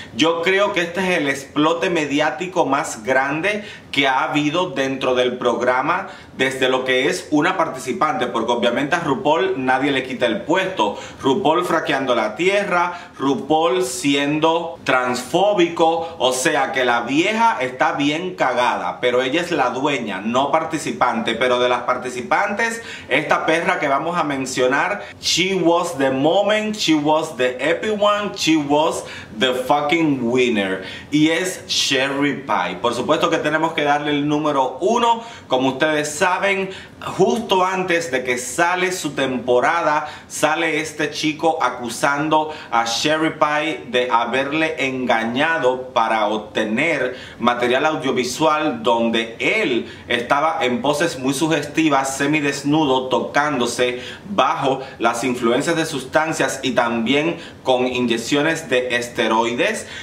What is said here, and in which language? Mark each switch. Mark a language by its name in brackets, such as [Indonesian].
[Spanish] Yo creo que este es el explote mediático más grande que ha habido dentro del programa desde lo que es una participante, porque obviamente a RuPaul nadie le quita el puesto. RuPaul fraqueando la tierra, RuPaul siendo transfóbico, o sea que la vieja está bien cagada, pero ella es la dueña, no participante. Pero de las participantes, esta perra que vamos a mencionar, [English] she was the moment, she was the epic one, she was the fucking winner, [Spanish] y es Sherry Pie. Por supuesto que tenemos que darle el número uno. Como ustedes saben, justo antes de que sale su temporada, sale este chico acusando a Sherry Pie de haberle engañado para obtener material audiovisual donde él estaba en poses muy sugestivas, semidesnudo, tocándose bajo las influencias de sustancias y también con inyecciones de esteroides.